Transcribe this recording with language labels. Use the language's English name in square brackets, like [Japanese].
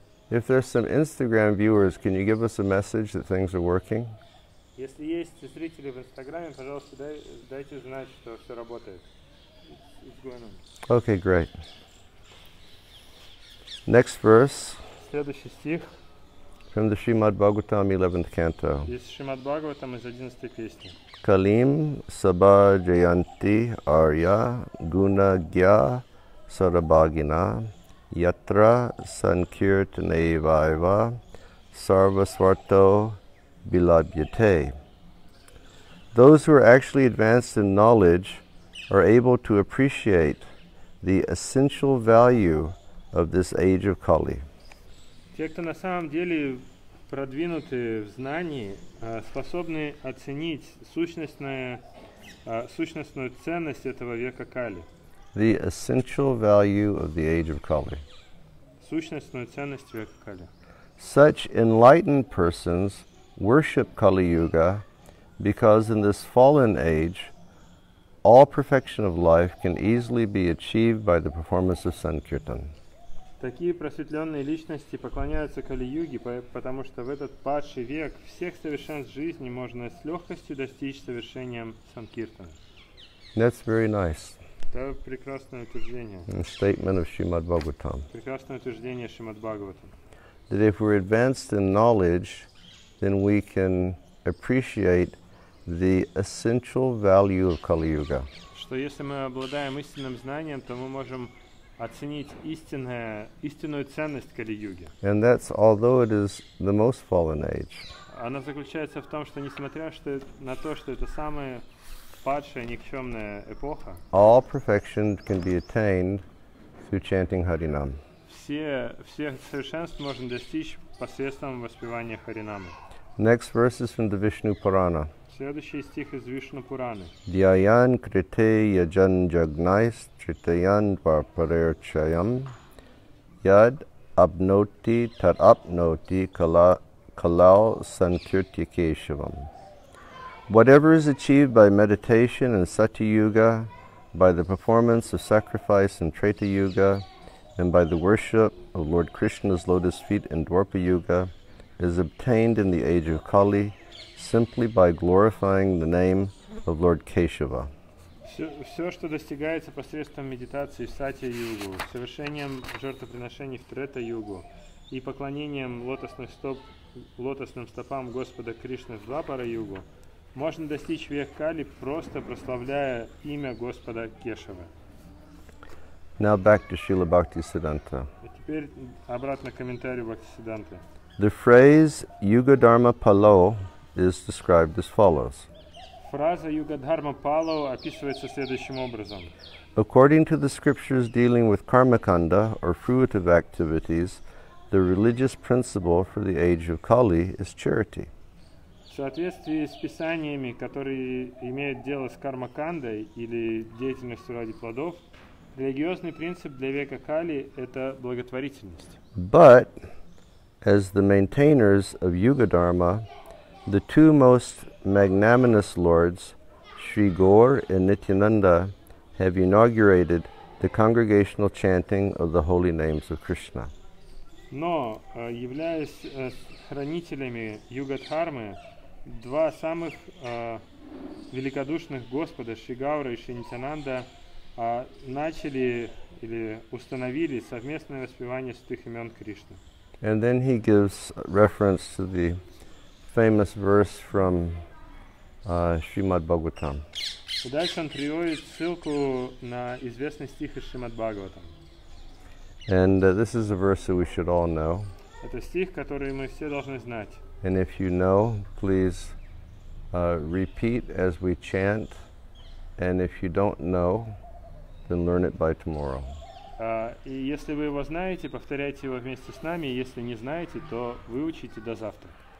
[English] If there's some Instagram viewers, can you give us a message that things are working? [Russian] Если есть зрители в Инстаграме, пожалуйста, дайте знать, что все работает. [English] It's going on. Okay, great. Next verse. [Russian] Следующий стих. [English] From the Srimad Bhagavatam, 11th canto. [Russian] Из Шримад Бхагаватам, из 11-й песни. [Sanskrit] Kalim Sabha Jayanti Arya Guna Gya Sarabhagina Yatra Sankirtane Vaiva Sarvasvarto Bilabhyate. [English] Those who are actually advanced in knowledge are able to appreciate the essential value of this age of Kali. [Russian] Те, кто на самом деле продвинуты в знании, способны оценить сущностную ценность этого века Кали. [English] The essential value of the age of Kali. [Russian] Сущностную ценность века Кали. [English] Such enlightened persons worship Kali Yuga because in this fallen age all perfection of life can easily be achieved by the performance of Sankirtan. [Russian] Такие просветленные личности поклоняются Кали Юге, потому что в этот падший век всех совершенств жизни можно с легкостью достичь совершением Санкиртан. [English] That's very nice. [Russian] Это прекрасное утверждение. [English] Statement of Srimad Bhagavatam. [Russian] Прекрасное утверждение Шримад Бхагаватам. [English] That if we're advanced in knowledge, then we can appreciate the essential value of Kali Yuga. [Russian] Что если мы обладаем истинным знанием, то мы можем оценить истинную ценность Кали Юги. [English] And that's although it is the most fallen age. [Russian] Она заключается в том, что несмотря на то, что это самая падшая, никчемная эпоха, [English] all perfection can be attained through chanting Harinam. [Russian] Все совершенств можно достичь посредством воспевания Харинамы. [English] Next verse is from the Vishnu Purana. [Russian] Следующий стих из Вишну Пураны. [Sanskrit] Дьяян крите яджан джагнайс тритаян парпаречаям яд абноти тат апноти калау санкиртикешавам. [English] Whatever is achieved by meditation and Satya Yuga, by the performance of sacrifice in Treta Yuga, and by the worship of Lord Krishna's lotus feet in Dwarpa Yuga, is obtained in the age of Kali simply by glorifying the name of Lord Keshava. [Russian] Все, что достигается посредством медитации в сати-югу, совершением жертвоприношений в трета-югу и поклонением лотосным стопам Господа Кришны в двапара-югу, можно достичь век Кали, просто прославляя имя Господа Кешавы. [English] Now back to Srila Bhaktisiddhanta. [Russian] А теперь обратно к комментарию Бхактисиддханты. [English] The phrase Yuga Dharma Palo is described as follows. [Russian] Фраза Yuga Dharma Palo описывается следующим образом. [English] According to the scriptures dealing with karmakanda or fruitive activities, the religious principle for the age of Kali is charity. [Russian] В соответствии с писаниями, которые имеют дело с кармакандой или деятельностью ради плодов, религиозный принцип для века Кали – это благотворительность. [English] But, as the maintainers of Yuga Dharma, the two most magnanimous lords, Sri Gaur and Nityananda, have inaugurated the congregational chanting of the holy names of Krishna. [Russian] Но, являясь хранителями Юга Дхармы, два самых великодушных Господа, Шри Гаура и Шри Нитянанда, начали или установили совместное воспевание святых имен Кришны. [English] And then he gives reference to the famous verse from Shrimad Bhagavatam. [Russian] И дальше он приводит ссылку на известный стих из Шримад Бхагаватам. [English] And this is a verse that we should all know. [Russian] Это стих, который мы все должны знать. [English] And if you know, please repeat as we chant. And if you don't know, then learn it by tomorrow. [Russian] И если вы его знаете, повторяйте его вместе с нами. Если не знаете, то выучите до завтра.